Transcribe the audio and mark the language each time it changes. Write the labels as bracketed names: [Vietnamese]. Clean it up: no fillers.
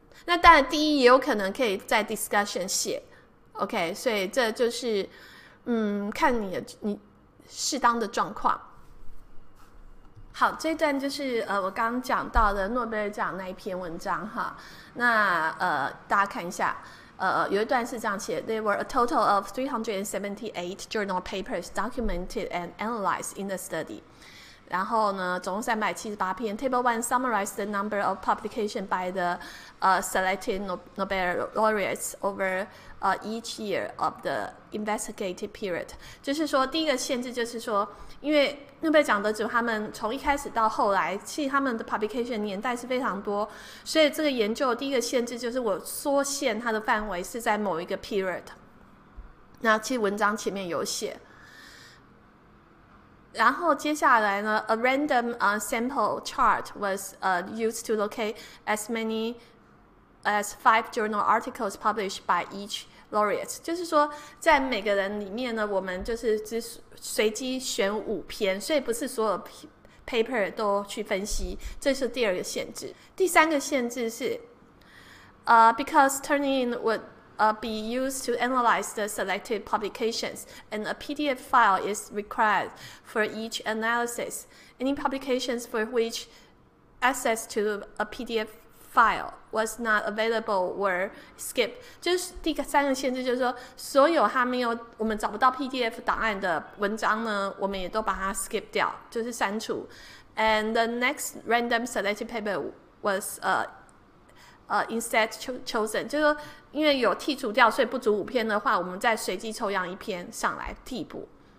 [Chinese] 那当然，第一也有可能可以在 discussion 写，OK。所以这就是，看你适当的状况。好，这段就是我刚刚讲到的诺贝尔奖那一篇文章哈。那大家看一下。有一段是这样写： [English] There were a total of 378 journal papers documented and analyzed in the study。 [Chinese] 然后呢，总共378篇。 [English] Table 1 summarized the number of publications by the selected Nobel laureates over each year of the investigative period. [Chinese] 就是说，第一个限制就是说，因为诺贝尔奖得主他们从一开始到后来，其实他们的 publication 年代是非常多，所以这个研究第一个限制就是我缩限它的范围是在某一个 period。那其实文章前面有写。然后接下来呢 [English] ，a random sample chart was used to locate as many as 5 journal articles published by each laureate. [Chinese] 就是说，在每个人里面呢，我们就是只随机选五篇，所以不是所有 paper 都去分析。这是第二个限制。第三个限制是， [English] because Turnitin would be used to analyze the selected publications, and a PDF file is required for each analysis. Any publications for which access to a PDF file was not available were skipped. [Chinese] 就是第三个限制，就是说所有还没有我们找不到 PDF 档案的文章呢，我们也都把它 skip 掉，就是删除。 [English] And the next random selected paper was instead chosen, [Chinese] 就是说因为有剔除掉，所以不足五篇的话，我们再随机抽样一篇上来替补。